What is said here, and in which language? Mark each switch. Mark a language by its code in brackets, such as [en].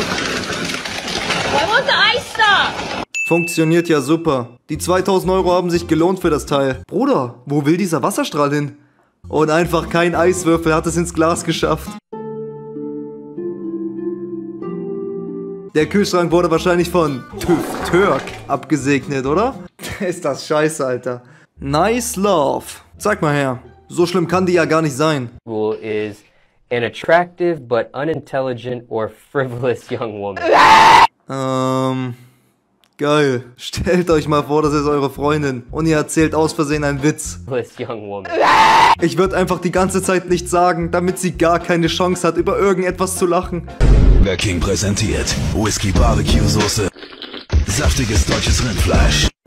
[en] Wait, here comes the water. Why won't the ice stop? [de] Funktioniert ja super. Die 2000 Euro haben sich gelohnt für das Teil. Bruder, wo will dieser Wasserstrahl hin? Und einfach kein Eiswürfel hat es ins Glas geschafft. Der Kühlschrank wurde wahrscheinlich von TÜV Türk abgesegnet, oder? Ist das scheiße, Alter. [en] Nice love. [de] Zeig mal her. So schlimm kann die ja gar nicht sein. [en] Is an attractive but unintelligent or frivolous young woman. [de] Geil. Stellt euch mal vor, das ist eure Freundin und ihr erzählt aus Versehen einen Witz. [en] Frivolous young woman. [de] Ich würde einfach die ganze Zeit nichts sagen, damit sie gar keine Chance hat, über irgendetwas zu lachen. Der King präsentiert Whisky Barbecue Soße. Saftiges deutsches Rindfleisch.